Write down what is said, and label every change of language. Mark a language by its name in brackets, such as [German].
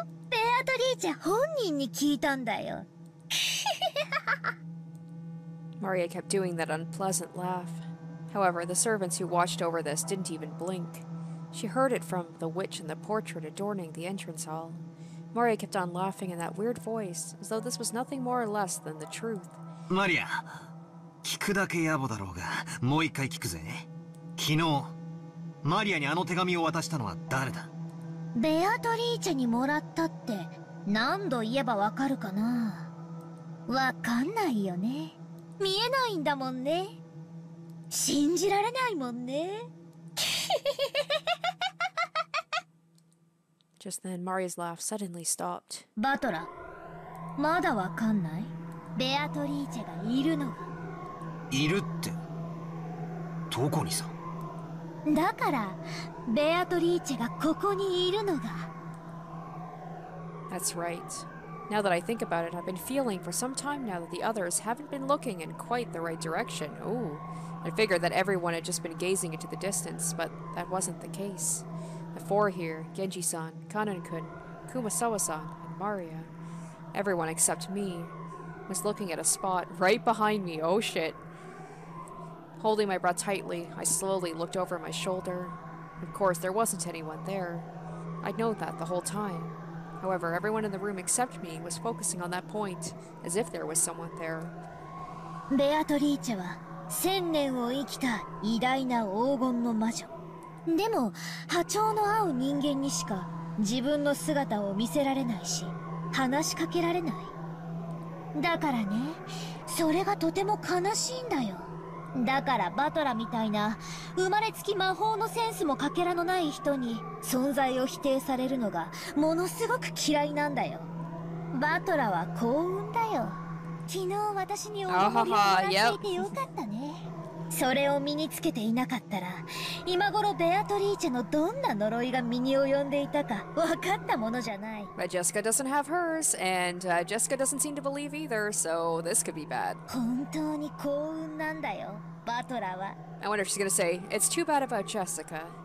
[Japanese] ベアトリーチェ本人に聞いたんだよ。 [English] Maria kept doing that unpleasant laugh. However, the servants who watched over this didn't even blink. She heard it from the witch in the portrait adorning the entrance hall. Maria kept on laughing in that weird voice, as though this was nothing more or less than the truth. [Japanese] Maria, 聞くだけ野暮だろうが、もう一回聞くぜ。昨日、マリアにあの手紙を渡したのは誰だ？ベアトリーチェにもらったって、何度言えばわかるかな？わかんないよね。見えないんだもんね。信じられないもんね。 [English] Just then, Maria's laugh suddenly stopped. [Japanese] バトラ、まだわかんない？ベアトリーチェがいるのが。いるって、どこにさ？だから、ベアトリーチェがここにいるのが。 [English] That's right. Now that I think about it, I've been feeling for some time now that the others haven't been looking in quite the right direction. Ooh, I figured that everyone had just been gazing into the distance, but that wasn't the case. The four here, Genji-san, Kanon-kun, Kumasawa-san, and Maria, everyone except me, was looking at a spot right behind me. Oh shit. Holding my breath tightly, I slowly looked over my shoulder. Of course, there wasn't anyone there. I'd known that the whole time. However, everyone in the room except me was focusing on that point, as if there was someone there. [Japanese] ベアトリーチェは、千年を生きた偉大な黄金の魔女。でも、波長の合う人間にしか自分の姿を見せられないし、話しかけられない。だからね、それがとても悲しいんだよ。だからバトラみたいな生まれつき魔法のセンスもかけらのない人に存在を否定されるのがものすごく嫌いなんだよ。バトラは幸運だよ。昨日私にお祈りをしていてよかったね。それを身につけていなかったら今頃ベアトリーチェのどんな呪いが身に及んでいたか分かったものじゃない。 [English] But Jessica doesn't have hers, and Jessica doesn't seem to believe either, so this could be bad. [Japanese] 本当に幸運なんだよ、バトラは。 [English] I wonder if she's gonna say, it's too bad about Jessica.